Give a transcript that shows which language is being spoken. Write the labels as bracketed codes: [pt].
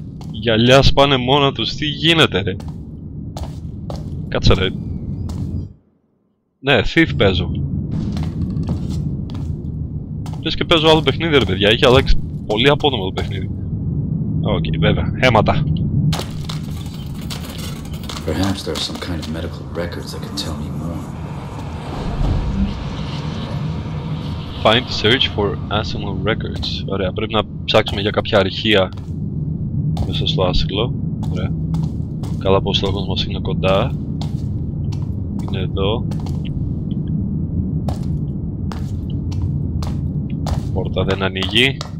[el] Γυαλιά σπάνε μόνα τους, τι γίνεται ρε. Κάτσε ρε. Ναι, Thief παίζω. Λες και παίζω άλλο παιχνίδι ρε παιδιά, έχει αλλάξει πολύ απότομο το παιχνίδι. Οκ, βέβαια, αίματα. [en] Perhaps there are some kind of medical records that can tell me more. Find search for asylum records. [el] Ωραία, πρέπει να ψάξουμε για κάποια αρχεία μέσα στο άσυλο. Ωραία. Καλά πως ο στόχος μας είναι κοντά. Είναι εδώ. πόρτα δεν ανοίγει.